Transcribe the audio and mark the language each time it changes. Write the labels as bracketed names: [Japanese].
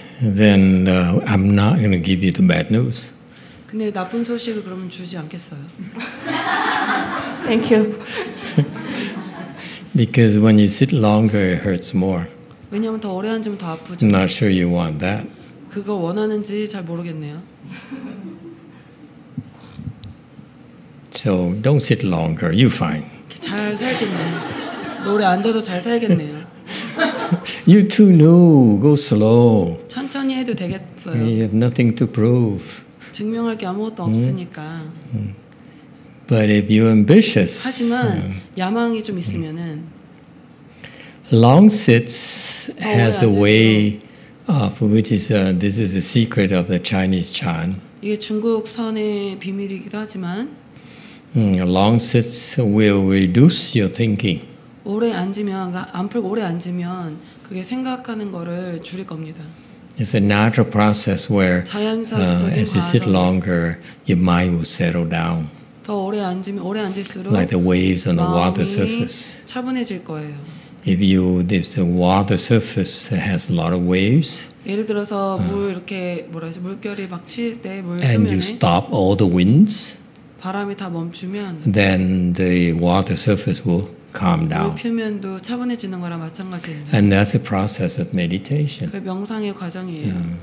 [English] Then I'm not going to give you the bad news. [Korean] 근데 나쁜 소식을 그러면 주지 않겠어요. [English] Thank you. Because when you sit longer, it hurts more. [Korean] 왜냐면 더 오래 앉으면 더 아프죠. [English] I'm not sure you want that. [Korean] 그거 원하는지 잘 모르겠네요. [English] So don't sit longer. You fine. [Korean] 잘 살겠네. 오래 앉아도 잘 살겠네요. [English] You too know. Go slow. [Korean] 천천히 해도 되겠어요. [English] You have nothing to prove. [Korean] 증명할 게 아무것도 없으니까. [English] But if you're ambitious, [Korean] 하지만 야망이 좀 있으면은. [English] Long sits has a way of which is a, this is a secret of the Chinese Chan. [Korean] 이게 중국 선의 비밀이기도 하지만. [English] Long sits will reduce your thinking. [Korean] 오래 앉으면 안 풀고 오래 앉으면 그게 생각하는 거를 줄일 겁니다. [English] It's a natural process where as you sit longer, your mind will settle down. [Korean] 더 오래 앉으면 오래 앉을수록 [English] like the waves on the water surface. [Korean] 차분해질 거예요. [English] If you if the water surface has a lot of waves. [Korean] 예를 들어서 물 이렇게 뭐라 해야지 물결이 막 칠 때 물 뜨면 [English] and you stop all the winds. [Korean] 바람이 다 멈추면 [English] then the water surface will calm down. [Korean] 물 표면도 차분해지는 거랑 마찬가지예요. [English] And that's a process of meditation. [Korean] 그 명상의 과정이에요.